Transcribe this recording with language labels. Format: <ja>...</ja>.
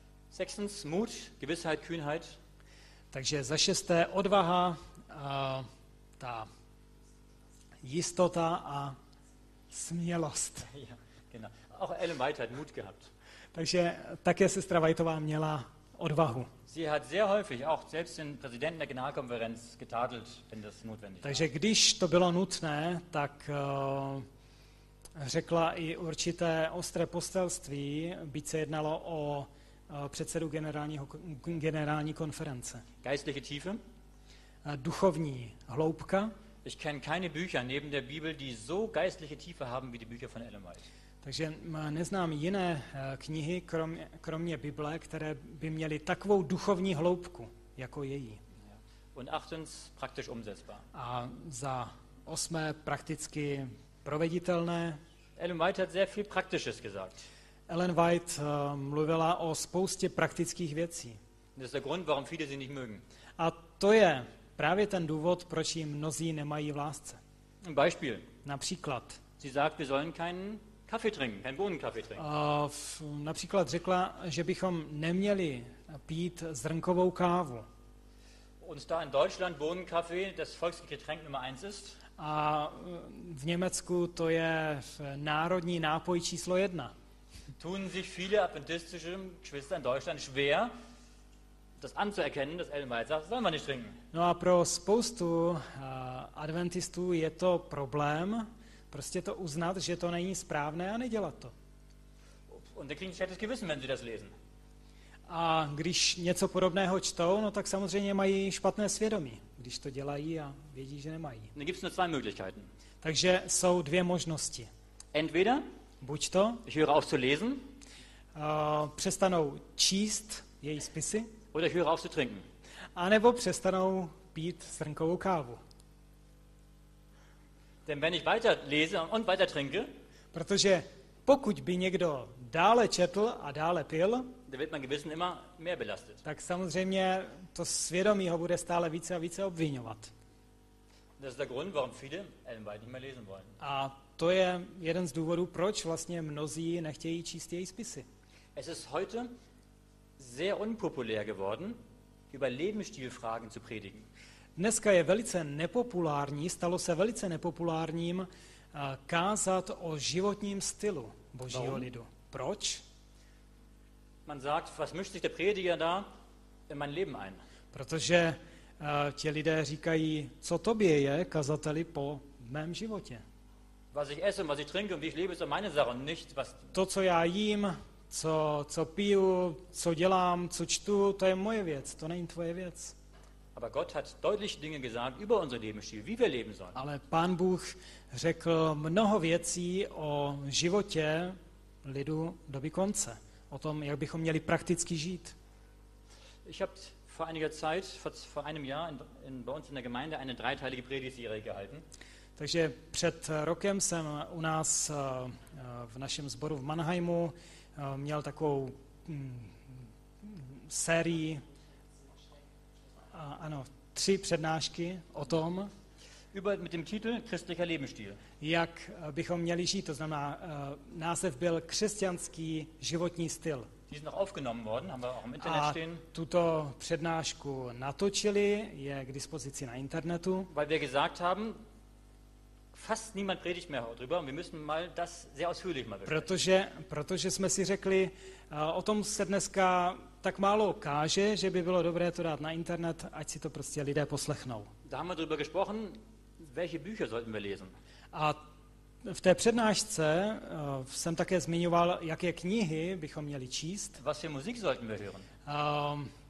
<de>Sechstens, Mut, Gewissheit, Kühnheit.</de> <cs>Takže za šesté, odvaha, ta jistota a smělost.</cs> <de>Ja, genau. Auch Ellen White hat Mut gehabt.</de> <cs>Takže také sestra Whiteová měla odvahu.</cs> <de>Sie hat sehr häufig auch selbst den Präsidenten der Generalkonferenz getadelt, wenn das notwendig war.</de> <cs>Takže když to bylo nutné, tak řekla i určité ostré postelství, byť se jednalo o předsedu generální konference.</cs> <de>Geistliche Tiefe.</de> <cs>Duchovní hloubka.</cs> <de>Ich kenne keine Bücher neben der Bibel, die so geistliche Tiefe haben wie die Bücher von Ellen White.</de> <cs>Takže neznám jiné knihy kromě Bible, které by měly takovou duchovní hloubku jako její.</cs> <de>Und achtens, praktisch umsetzbar.</de> <cs>A za osmé, prakticky proveditelné.</cs> <de>Ellen White hat sehr viel praktisches gesagt.</de> <cs>Ellen White mluvila o spoustě praktických věcí.</cs> <de>Das ist der Grund, warum viele sie nicht mögen.</de> <cs>A to je právě ten důvod, proč jim mnozí nemají v lásce.</cs> <de>Beispiel.</de> <cs>Například.</cs> <de>Sie sagt, wir sollen keinen Kaffee trinken, keinen Bohnenkaffee trinken.</de> <cs>Například řekla, že bychom neměli pít zrnkovou kávu.</cs> <de>Und da in Deutschland Bohnenkaffee das Volksgetränk Nummer 1 ist.</de> <cs>A v Německu to je národní nápoj číslo 1.</cs> <de>Tun sich viele adventistische Geschwister in Deutschland schwer, das anzuerkennen, dass Ellen White sagt, sollen wir nicht trinken.</de> <cs>No a pro spoustu adventistů je to problém, prostě to uznat, že to není správné, a nedělat to.</cs> <de>Und dann kriegen sie schlechtes Gewissen, wenn sie das lesen.</de> <cs>A když něco podobného čtou, no tak samozřejmě mají špatné svědomí, když to dělají a vědí, že nemají.</cs> <de>Dann gibt's nur zwei Möglichkeiten.</de> <cs>Takže jsou dvě možnosti.</cs> <de>Entweder</de> <cs>buď to,</cs> <de>ich höre auf zu lesen,</de> <cs>přestanou číst její spisy,</cs> <de>oder ich höre auf zu trinken.</de> <cs>Anebo přestanou pít zrnkovou kávu.</cs> <de>Denn wenn ich weiter lese und weiter trinke,</de> <cs>protože pokud by někdo dále četl a dále pil,</cs> <de>der wird mein Gewissen immer mehr belastet.</de> <cs>Tak samozřejmě to svědomí ho bude stále více a více obviňovat.</cs> <de>Das ist der Grund, warum viele Ellenby nicht mehr lesen wollen.</de> <cs>A to je jeden z důvodů, proč vlastně mnozí nechtějí číst její spisy.</cs> <de>Es ist heute sehr unpopulär geworden, über Lebensstilfragen zu predigen.</de> <cs>Dneska je velice nepopulární, stalo se velice nepopulárním kázat o životním stylu Božího</cs> <de>warum?</de> <cs>Lidu. Proč?</cs> <de>Man sagt, was mischt sich der Prediger da in mein Leben ein?</de> <cs>Protože ti lidé říkají, co tobě je, kazateli, po mém životě.</cs> <de>Was ich esse, was ich trinke und wie ich lebe, ist meine Sache, nicht was.</de> <cs>To, co já jím, co piju, co dělám, co čtu, to je moje věc, to není tvoje věc.</cs> <de>Aber Gott hat deutlich Dinge gesagt über unser Lebensstil, wie wir leben sollen.</de> <cs>Ale Pán Bůh řekl mnoho věcí o životě lidu doby konce, o tom, jak bychom měli prakticky žít.</cs> <de>Ich habe vor einiger Zeit, vor einem Jahr in bei uns in der Gemeinde eine dreiteilige Predigtserie gehalten.</de> <cs>Takže před rokem jsem u nás v našem sboru v Mannheimu měl takovou sérii, ano, tři přednášky o tom,</cs> <de>über mit dem Titel christlicher Lebensstil.</de> <cs>Jak bychom měli žít, to znamená název byl křesťanský životní styl.</cs> <de>Die sind noch aufgenommen worden, haben wir auch im Internet stehen.</de> <cs>A tuto přednášku natočili, je k dispozici na internetu.</cs> <de>Weil wir gesagt haben, fast niemand predigt mehr darüber und wir müssen mal das sehr ausführlich mal besprechen.</de> <cs>Protože jsme si řekli, o tom se dneska tak málo káže, že by bylo dobré to dát na internet, ať si to prostě lidé poslechnou.</cs> <de>Da haben wir darüber gesprochen, welche Bücher sollten wir lesen.</de> <cs>A v té přednášce jsem také zmiňoval, jaké knihy bychom měli číst.</cs> <de>Was für Musik sollten wir hören.</de>